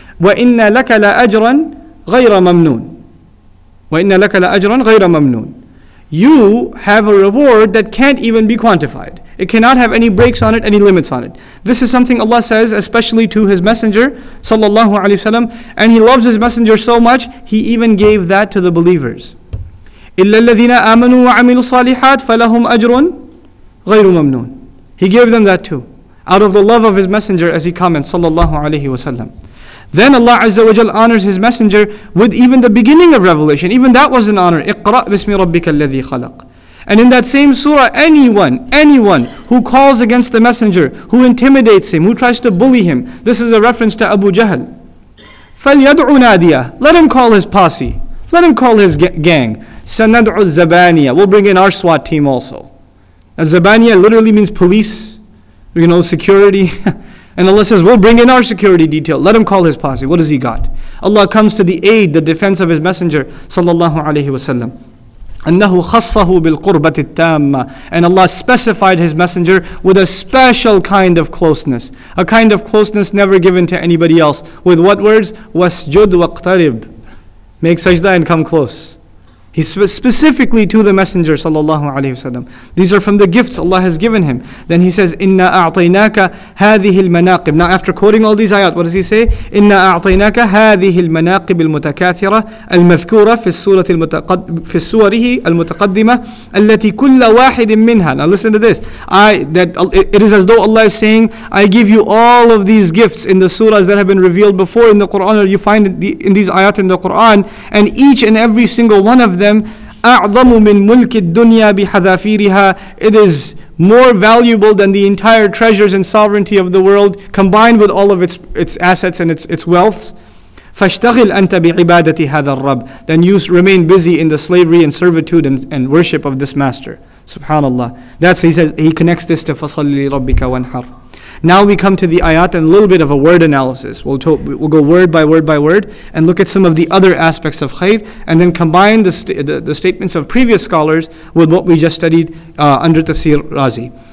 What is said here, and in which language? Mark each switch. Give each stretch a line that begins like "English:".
Arabic: وَإِنَّ لَكَ لَأَجْرًا غَيْرَ مَمْنُونَ. وَإِنَّ لَكَ لَأَجْرًا غَيْرَ مَمْنُونَ.
English: You have a reward that can't even be quantified. It cannot have any breaks on it, any limits on it. This is something Allah says especially to His Messenger sallallahu alayhi wasallam, and He loves His Messenger so much He even gave that to the believers.
Arabic: إِلَّا الَّذِينَ آمَنُوا وَعَمِلُوا الصَّالِحَاتِ فَلَهُمْ أَجْرٌ غَيْرُ مَمْنُونَ.
English: He gave them that too. out of the love of his messenger, as he comments, sallallahu alayhi wa sallam. Then Allah Azza wa Jal honors his messenger with even the beginning of revelation. Even that was an honor.
Arabic: اقرأ بسم ربك الذي خلق.
English: And in that same surah, anyone who calls against the messenger, who intimidates him, who tries to bully him, this is a reference to Abu Jahl.
Arabic: فَلْيَدْعُ نَادِيَهُ.
English: Let him call his posse. Let him call his gang.
Arabic: سَنَدْعُ الزَّبَانِيَ.
English: We'll bring in our SWAT team also. الزَّبَانِيَ literally means police, you know, security. And Allah says, we'll bring in our security detail. Let him call his posse. What does he got? Allah comes to the aid, the defense of his messenger, sallallahu alayhi wa sallam.
Arabic: أَنَّهُ خَصَّهُ بِالْقُرْبَةِ التَّامَّةِ.
English: And Allah specified his messenger with a special kind of closeness. A kind of closeness never given to anybody else. With what words?
Arabic: وَاسْجُدْ وَاقْتَرِبْ.
English: Make sajda and come close. He specifically to the messenger, sallallahu alayhi wa sallam. These are from the gifts Allah has given him. Then he says,
Arabic: إِنَّا أَعْطَيْنَاكَ هَذِهِ الْمَنَاقِبِ.
English: Now after quoting all these ayat, what does he say?
Arabic: إِنَّا أَعْطَيْنَاكَ هَذِهِ الْمَنَاقِبِ الْمُتَكَاثِرَةِ الْمَذْكُورَةِ فِي السُّورِهِ الْمُتَقَدِّمَةِ الَّتِي كُلَّ وَاحِدٍ مِّنْهَا.
English: Now listen to this. It is as though Allah is saying, I give you all of these gifts in the surahs that have been revealed before in the Quran, or you find in these ayat in the Quran, and each and every single one of them,
Arabic: أعظم من ملك الدنيا بحذافيرها.
English: It is more valuable than the entire treasures and sovereignty of the world, combined with all of its assets and its wealths.
Arabic: فاشتغل أنت بعبادة هذا الرب.
English: Then you remain busy in the slavery and servitude and worship of this master. Subhanallah. That's, he says, he connects this to
Arabic: فصلي ربك وانحر.
English: Now we come to the ayat and a little bit of a word analysis. We'll go word by word by word and look at some of the other aspects of khayr, and then combine the statements of previous scholars with what we just studied under Tafsir Razi.